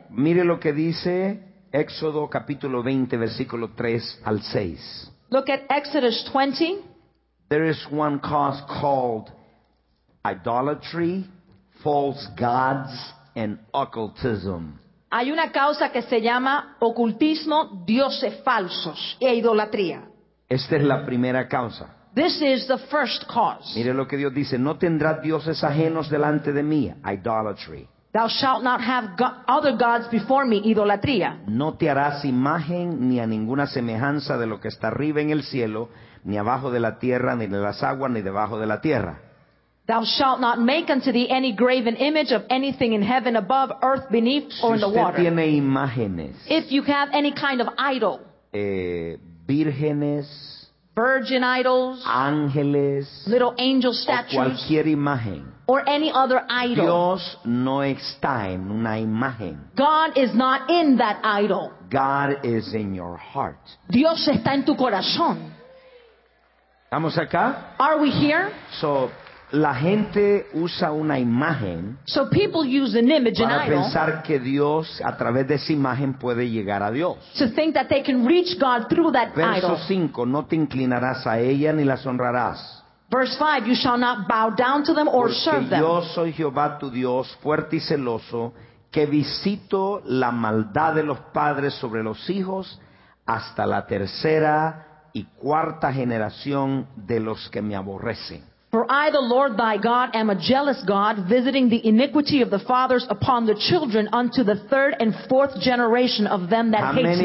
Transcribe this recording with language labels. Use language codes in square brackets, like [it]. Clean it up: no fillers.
[es] Mire lo que dice Éxodo capítulo 20, versículo 3 al 6. [en] Look at Exodus 20. There is one cause called idolatry, false gods, and occultism. [es] Hay una causa que se llama ocultismo, dioses falsos e idolatría. Esta es la primera causa. [en] This is the first cause. [es] Mire lo que Dios dice. No tendrás dioses ajenos delante de mí. Idolatry. [en] Thou shalt not have other gods before me. [es] Idolatría. No te harás imagen ni a ninguna semejanza de lo que está arriba en el cielo, ni abajo de la tierra, ni de las aguas, ni debajo de la tierra. [en] Thou shalt not make unto thee any graven image of anything in heaven above, earth beneath, or in the water. [es] Si usted tiene imágenes, [en] if you have any kind of idol, [es] vírgenes, [en] virgin idols, [es] ángeles, [en] little angel statues, [es] o cualquier imagen, [en] or any other idol, [es] Dios no está en una imagen. [en] God is not in that idol. God is in your heart. [es] Dios está en tu corazón. ¿Estamos acá? [en] Are we here? [es] So, la gente usa una imagen, [en] so people use an image, [es] para [en] an idol, [es] pensar que Dios a través de esa imagen puede llegar a Dios. [en] To think that they can reach God through that [es] Verso [en] idol. [es] Verso 5, no te inclinarás a ella ni las honrarás. [en] Verse 5, you shall not bow down to them or [es] Porque [en] serve them. [es] Yo soy Jehová tu Dios, fuerte y celoso, que visito la maldad de los padres sobre los hijos hasta la tercera y cuarta generación de los que me aborrecen. [en] For I, the Lord thy God, am a jealous God, visiting the iniquity of the fathers upon the children unto the third and fourth generation of them that hate me.